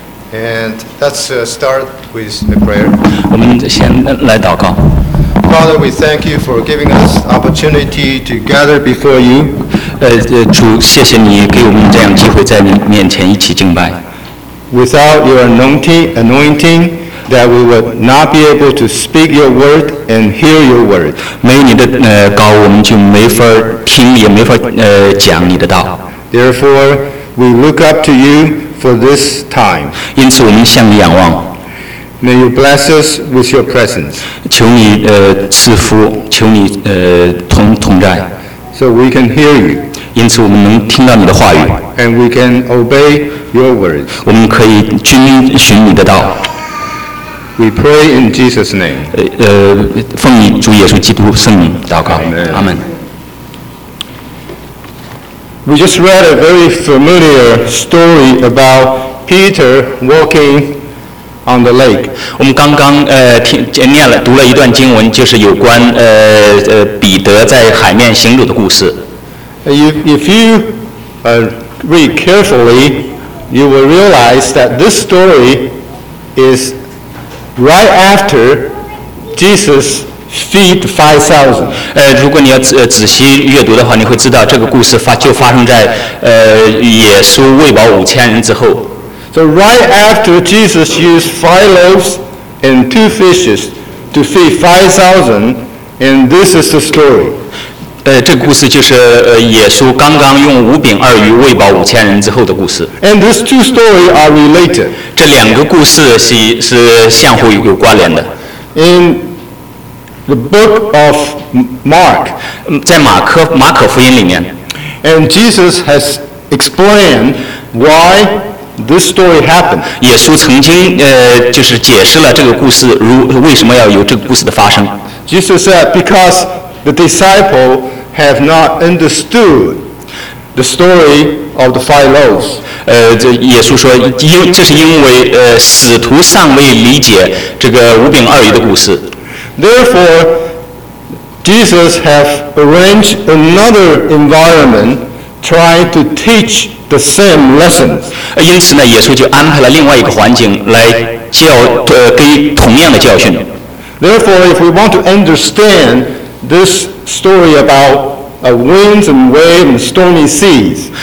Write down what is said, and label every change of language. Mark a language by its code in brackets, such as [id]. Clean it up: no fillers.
[en] And let's start with a prayer. [zh] 我们先来祷告。 [en] Father, we thank you for giving us opportunity to gather before you. [zh] 主，谢谢你给我们这样机会在你面前一起敬拜。 [en] Without your anointing, that we would not be able to speak your word and hear your word. [zh] 没有你的膏，我们就没法听，也没法讲你的道。 [en] Therefore, we look up to you for this time. [zh] 因此，我们向你仰望。 [en] May you bless us with your presence. [zh] 求你赐福，求你同在。 [en] So we can hear you. [zh] 因此我们能听到你的话语。 [en] And we can obey your words. [zh] 我们可以遵循你的道。 [en] We pray in Jesus' name. [zh] 奉你主耶稣基督圣名祷告。 [en] Amen. We just read a very familiar story about Peter walking. On the lake. [zh] 我们刚刚读了一段经文，就是有关彼得在海面行走的故事。 [en] If you read carefully, you will realize that this story is right after Jesus feed 5,000. [zh] 如果你要仔细阅读的话，你会知道这个故事发生在耶稣喂饱五千人之后。 [en] So right after Jesus used 5 loaves and 2 fishes to feed 5,000, and this is the story. [zh] 这个故事就是耶稣刚刚用五饼二鱼喂饱五千人之后的故事。 [en] And these two stories are related. [zh] 这两个故事是相互有关联的。 [en] In the book of Mark, [zh] 在马可福音里面 [en] ，and Jesus has explained why. This story happened. [zh] 耶稣曾经就是解释了这个故事为什么要有这个故事的发生。 [en] Jesus said, because the disciples have not understood the story of the 5 loaves. [zh] 耶稣说，这是因为使徒尚未理解这个五饼二鱼的故事。 [en] Therefore, Jesus have arranged another environment trying to teach. The same lessons. [zh] 因此呢，耶稣就安排了另外一个环境来给同样的教训。 [en] Therefore, if we want to understand this story about winds and waves and stormy seas,